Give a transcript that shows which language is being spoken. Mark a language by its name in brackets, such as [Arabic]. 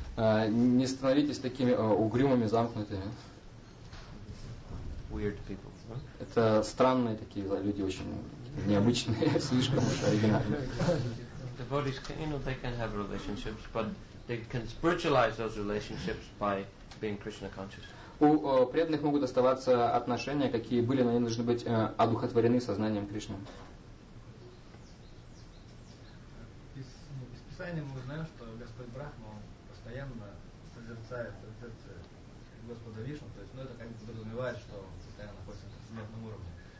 [Russian] Не становитесь такими угрюмыми, замкнутыми. [English] Weird people. [Russian] Это странные такие люди, очень необычные, слишком оригинальные. [English] Devotees, they can have relationships, but they can spiritualize those relationships by being Krishna conscious. [Russian] У преданных могут оставаться отношения, какие были, но они должны быть одухотворены сознанием Кришны. Из Писания мы знаем, что Господь Брахма постоянно созерцает сердце Господа Вишну, то есть, это как бы подразумевает, что он постоянно находится на смертном уровне.